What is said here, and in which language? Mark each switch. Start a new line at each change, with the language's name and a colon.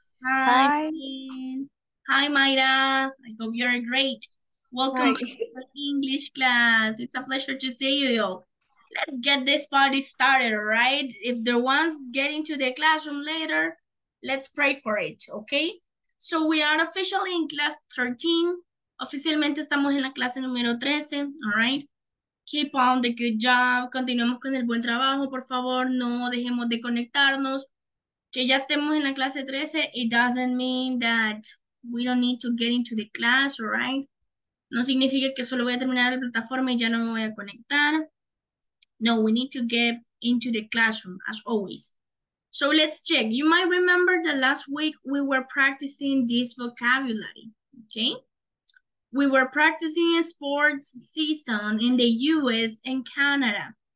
English: Hi. Hi, Mayra. I hope you're great. Welcome back to the English class. It's a pleasure to see you. Let's get this party started, right? If the ones get into the classroom later, let's pray for it, okay? So we are officially in class 13.
Spanish: Oficialmente estamos en la clase número 13,
English: all right? Keep on the good job.
Spanish: Continuemos con el buen trabajo, por favor. No dejemos de conectarnos. Que ya estemos en la clase 13,
English: it doesn't mean that we don't need to get into the class, all right?
Spanish: No significa que solo voy a terminar la plataforma y ya no me voy a conectar.
English: No, we need to get into the classroom, as always. So let's check. You might remember that last week we were practicing this vocabulary, okay? We were practicing sports season in the US and Canada.